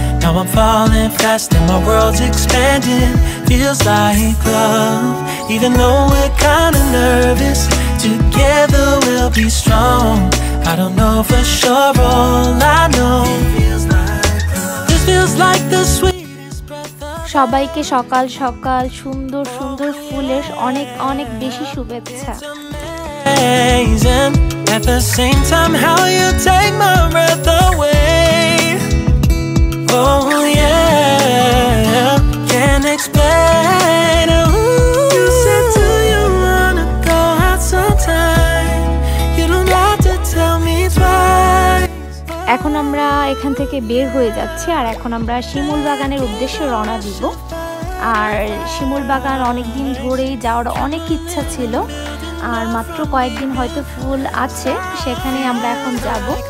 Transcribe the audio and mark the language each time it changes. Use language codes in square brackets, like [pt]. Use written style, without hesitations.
[en] Now I'm falling fast and my world's expanding. Feels like love, even though we're kinda nervous. Together we'll be strong. I don't know for sure, all I know. This feels like the sweet. [bn] সবাইকে সকাল সকাল সুন্দর সুন্দর ফুলের অনেক অনেক বেশি শুভেচ্ছা। [en] At the same time, how you take my breath away. Oh yeah, can't explain. Ooh. You said, do you wanna go out sometime? You don't have to tell me twice. [bn] এখন আমরা এখান থেকে বের হয়ে যাচ্ছি, আর এখন আমরা শিমুল বাগানের উদ্দেশ্যে রওনা দিব। আর শিমুল বাগান অনেক দিন ধরেই যাওয়ার অনেক ইচ্ছা ছিল, আর মাত্র কয়েকদিন হয়তো ফুল আছে, সেখানে আমরা এখন যাব।